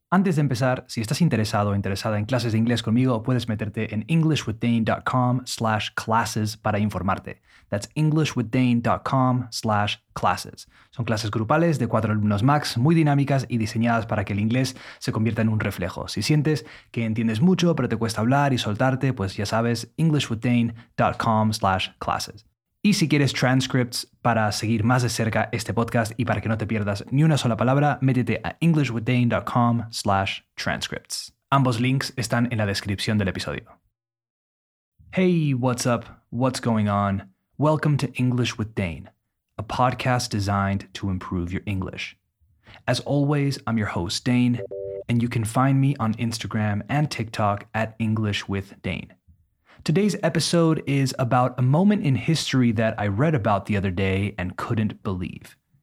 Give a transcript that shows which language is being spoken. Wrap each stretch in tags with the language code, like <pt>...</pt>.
<es>Antes de empezar, si estás interesado o interesada en clases de inglés conmigo, puedes meterte en englishwithdane.com/classes para informarte.</es> <en>That's englishwithdane.com/classes.</en> <es>Son clases grupales de 4 alumnos max, muy dinámicas y diseñadas para que el inglés se convierta en un reflejo. Si sientes que entiendes mucho, pero te cuesta hablar y soltarte, pues ya sabes, englishwithdane.com/classes. Y si quieres transcripts para seguir más de cerca este podcast y para que no te pierdas ni una sola palabra, métete a englishwithdane.com/transcripts. Ambos links están en la descripción del episodio.</es> <en>Hey, what's up? What's going on? Welcome to English with Dane, a podcast designed to improve your English. As always, I'm your host, Dane, and you can find me on Instagram and TikTok at englishwithdane. Today's episode is about a moment in history that I read about the other day and couldn't believe.</en>